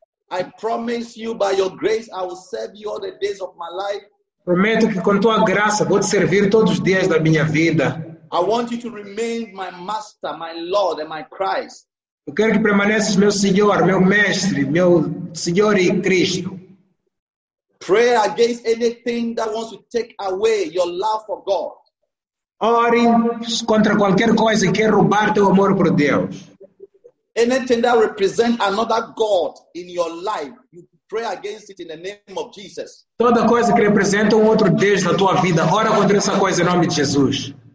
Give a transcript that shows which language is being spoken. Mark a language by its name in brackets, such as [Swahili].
[English] I promise you by your grace I will serve you all the days of my life. [Portuguese] Prometo que com tua graça vou te servir todos os dias da minha vida. [English] I want you to remain my master, my Lord, and my Christ. [Portuguese] Eu quero que permaneças meu Senhor, meu Mestre, meu Senhor e Cristo. [English] Pray against anything that wants to take away your love for God. [Portuguese] Ore contra qualquer coisa que quer roubar teu amor por Deus. [English] Anything that represents another God in your life, you pray against it in the name of Jesus. [Portuguese] Toda coisa que representa outro Deus na tua vida, ora contra essa coisa em nome de Jesus.